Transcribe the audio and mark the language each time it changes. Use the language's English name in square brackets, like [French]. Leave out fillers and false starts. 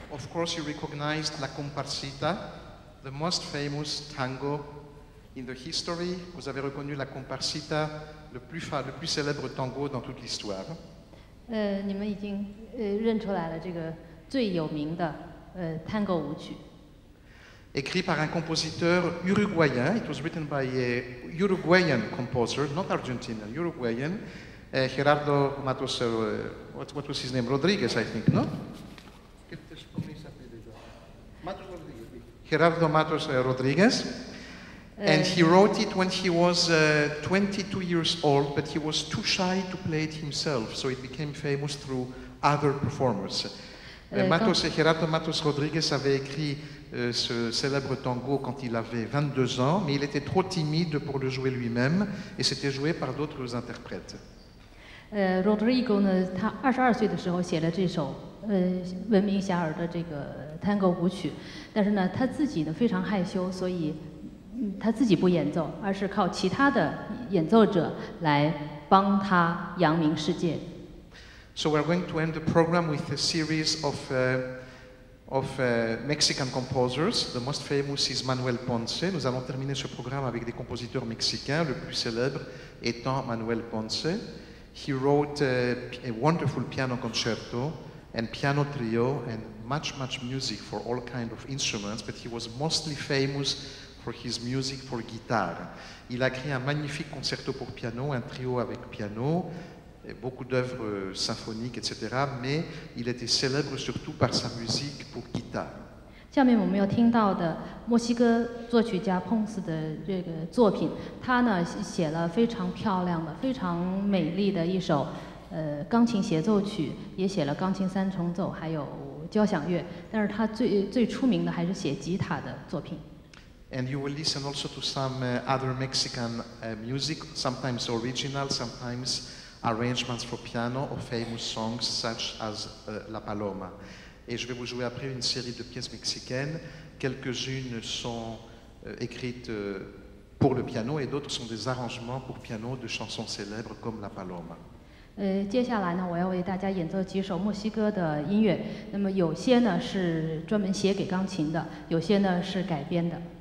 [English] course you recognized La Comparsita, the most famous tango in the history. [French] Vous avez reconnu La Comparsita, le plus célèbre tango dans toute l'histoire. [Chinese] 你们已经认出来了这个最有名的tango 舞曲。 [French] Écrit par un compositeur uruguayen, [English] it was written by a Uruguayan composer, not Argentinian, Uruguayan, Gerardo Matos, what was his name? Rodriguez, I think, no? Gerardo Matos Rodriguez. And he wrote it when he was 22 years old, but he was too shy to play it himself, so it became famous through other performers. [French] Gerardo Matos Rodriguez avait écrit ce célèbre tango quand il avait 22 ans, mais il était trop timide pour le jouer lui-même, et c'était joué par d'autres interprètes. [Chinese] Rodrigo, 呢他22岁的时候写了这首闻名遐迩的这个 tango 舞曲，但是呢他自己呢非常害羞，所以他自己不演奏，而是靠其他的演奏者来帮他扬名世界。 [English] So we're going to end the program with a series of Mexican composers. The most famous is Manuel Ponce. [French] Nous allons terminer ce programme avec des compositeurs mexicains, le plus célèbre étant Manuel Ponce. [English] He wrote a wonderful piano concerto and piano trio and much, much music for all kinds of instruments, but he was mostly famous for his music for guitar. [French] Il a créé un magnifique concerto pour piano, un trio avec piano, beaucoup d'œuvres symphoniques, etc., mais il était célèbre surtout par sa musique pour guitare. [Chinese] 下面我们要听到的墨西哥作曲家 Ponce 的这个作品，他呢写了非常漂亮的、非常美丽的一首钢琴协奏曲，也写了钢琴三重奏，还有交响乐，但是他最出名的还是写吉他的作品。 [English] And you will listen also to some other Mexican music, sometimes original, sometimes arrangements for piano or famous songs such as La Paloma. [French] Et je vais vous jouer après une série de pièces mexicaines. Quelques-unes sont écrites pour le piano et d'autres sont des arrangements pour piano de chansons célèbres comme La Paloma. [Chinese] 接下来呢，我要为大家演奏几首墨西哥的音乐。那么有些呢是专门写给钢琴的，有些呢是改编的。